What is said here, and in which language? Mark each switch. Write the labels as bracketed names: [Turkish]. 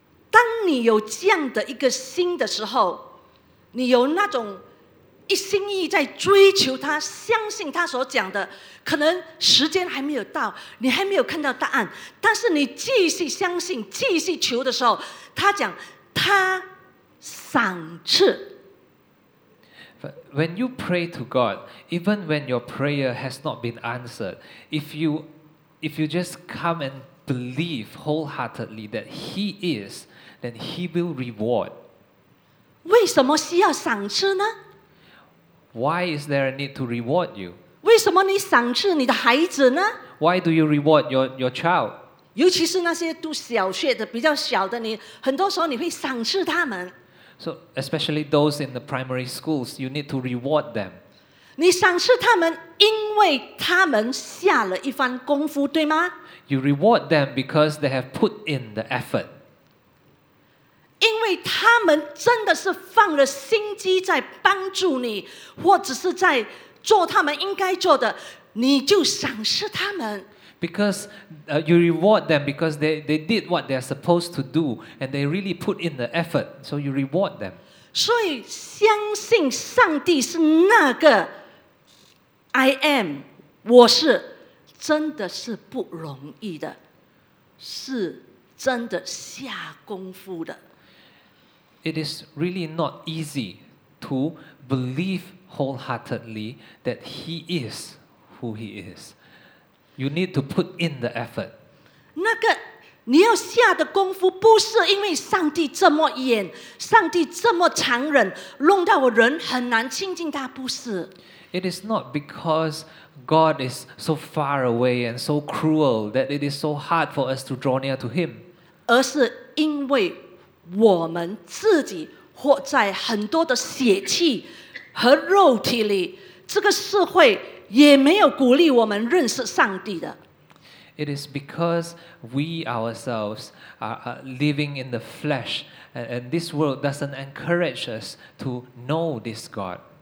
[Chinese] 当你有这样的一个心的时候，你有那种一心一意在追求他，相信他所讲的，可能时间还没有到，你还没有看到答案，但是你继续相信，继续求的时候，他讲他赏赐。 [English] When you pray to God, even when your prayer has not been answered, if you just come and believe wholeheartedly that He is, then He will reward. [Chinese] 为什么需要赏赐呢？ [English] Why is there a need to reward you? [Chinese] 为什么你赏赐你的孩子呢？ [English] Why do you reward your child? [Chinese] 尤其是那些读小学的比较小的，你很多时候你会赏赐他们。 [English] So especially those in the primary schools, you need to reward them. [Chinese] 你赏赐他们，因为他们下了一番功夫，对吗？ [English] You reward them because they have put in the effort. [Chinese] 因为他们真的是放了心机在帮助你，或者是在做他们应该做的，你就赏识他们。 [English] Because you reward them because they did what they are supposed to do and they really put in the effort, so you reward them. [Chinese] 所以相信上帝是那个 [English] I am, [Chinese] 我是，真的是不容易的，是真的下功夫的。 [English] It is really not easy to believe wholeheartedly that He is who He is. You need to put in the effort. [Chinese] 那个你要下的功夫不是因为上帝这么远，上帝这么残忍，弄到我人很难亲近他，不是。 [English] It is not because God is so far away and so cruel that it is so hard for us to draw near to Him. [Chinese] 而是因为我们自己活在很多的血气和肉体里，这个社会也没有鼓励我们认识上帝的。 [English] It is because we ourselves are living in the flesh, and this world doesn't encourage us to know this God.